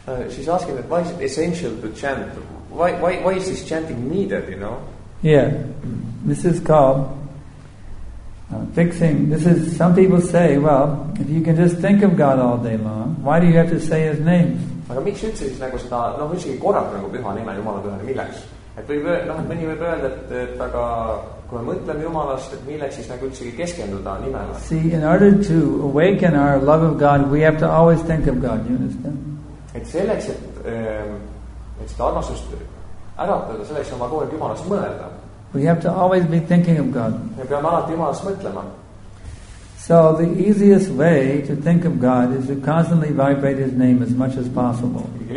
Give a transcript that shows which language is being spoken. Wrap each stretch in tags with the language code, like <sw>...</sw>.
<en>She's asking that why is it essential to chant? Why is this chanting needed, you know? Yeah. This is called fixing. This is, some people say, well, if you can just think of God all day long, why do you have to say his name?</en> <et>Aga miks üldse siis nagu seda, noh, üldse korrata nagu püha nime, Jumala püha nime, milleks? Et võib, noh, et mõni võib öelda, et, et aga kui me mõtleme Jumalast, et milleks siis nagu üldse keskenduda nimele?</et> <en>See, in order to awaken our love of God, we have to always think of God, you understand?</en> <et>Et selleks, et, et seda armastust äratada, selleks oma kohe Jumalast mõelda.</et> <en>We have to always be thinking of God.</en> <et>Me peame alati Jumalast mõtlema.</et> <en>So the easiest way to think of God is to constantly vibrate his name as much as possible.</en>